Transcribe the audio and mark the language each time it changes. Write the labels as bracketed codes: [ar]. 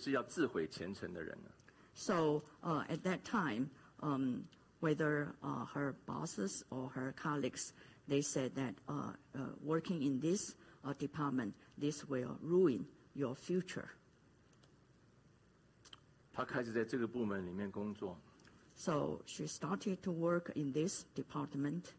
[zh] 这个整个部门上下，不论是老板也好，同事也好，大家一看就说，那你这个是要自毁前程的人了。 [en] at that time, whether her bosses or her colleagues, they said that working in this department, this will ruin your future. [zh] 她开始在这个部门里面工作。 [en] So she started to work in this department.